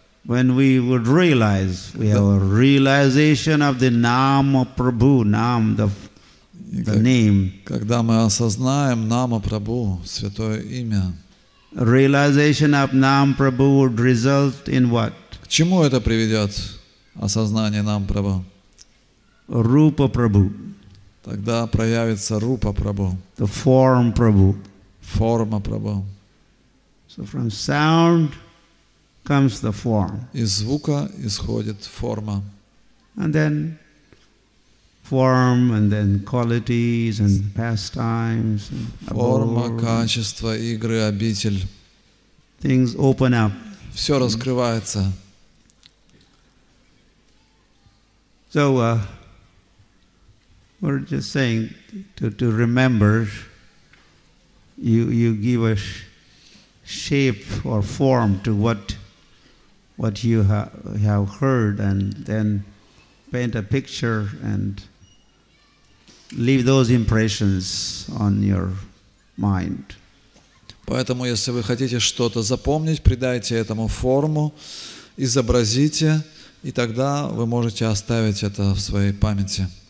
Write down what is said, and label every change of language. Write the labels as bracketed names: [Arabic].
[English] When we would realize, we have a realization of the Nam Prabhu, Nam, the the name. [Russian] Когда мы осознаем Нама Прабху, святое имя. [English] Realization of Nam Prabhu would result in what? [Russian] К чему это приведет осознание Нам Прабху? Рупа Прабху. Тогда проявится Рупа Прабху. [English] The form Prabhu. [Russian] Форма Прабху. [English] So from sound comes the form. [Russian] Из звука исходит форма. [English] And then form, and then qualities, and pastimes, and abode. [Russian] Форма, качество, игры, обитель. [English] Things open up. [Russian] Все раскрывается. [English] So we're just saying to remember. You give a shape or form to what you have heard, and then paint a picture and leave those impressions on your mind. [Russian] Поэтому, если вы хотите что-то запомнить, придайте этому форму, изобразите, и тогда вы можете оставить это в своей памяти.